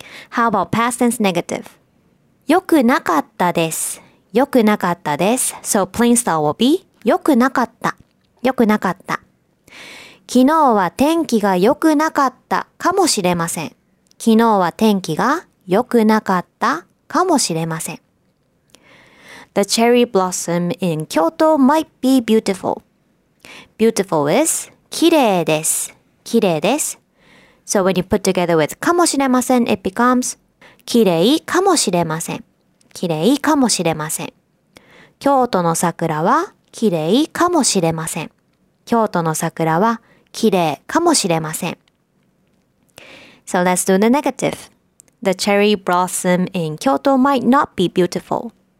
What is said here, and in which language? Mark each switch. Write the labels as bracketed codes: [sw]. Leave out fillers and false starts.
[en] How about past tense negative? [ja] 良くなかったです。良くなかったです。 [en] So plain style will be [ja] 良くなかった。良くなかった。昨日は天気が良くなかったかもしれません。昨日は天気が良くなかったかもしれません。 [en] The cherry blossom in Kyoto might be beautiful. Beautiful is [ja] 綺麗です。綺麗です。 [en] So when you put together with かもしれません, it becomes [ja] 綺麗かもしれません。綺麗かもしれません。京都の桜は綺麗かもしれません。京都の桜は綺麗かもしれません。 [en] So let's do the negative. The cherry blossom in Kyoto might not be beautiful.